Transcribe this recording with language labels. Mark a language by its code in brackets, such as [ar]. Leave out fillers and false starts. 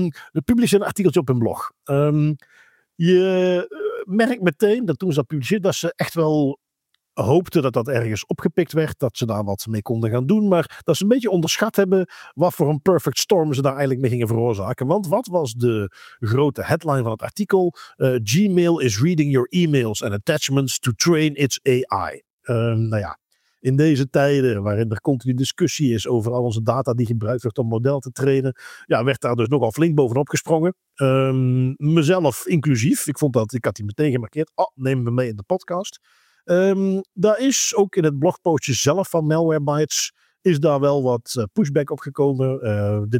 [nl] We publiceren een artikeltje op hun blog. Je merkt meteen dat toen ze dat publiceerden, dat ze echt wel hoopten dat dat ergens opgepikt werd, dat ze daar wat mee konden gaan doen, maar dat ze een beetje onderschat hebben wat voor een perfect storm ze daar eigenlijk mee gingen veroorzaken. Want wat was de grote headline van het artikel? [en] Gmail is reading your emails and attachments to train its AI. [nl] In deze tijden waarin er continu discussie is over al onze data die gebruikt wordt om model te trainen, werd daar dus nogal flink bovenop gesprongen. Mezelf inclusief, ik had die meteen gemarkeerd, neem me mee in de podcast. Daar is ook in het blogpostje zelf van Malwarebytes, is daar wel wat pushback op gekomen.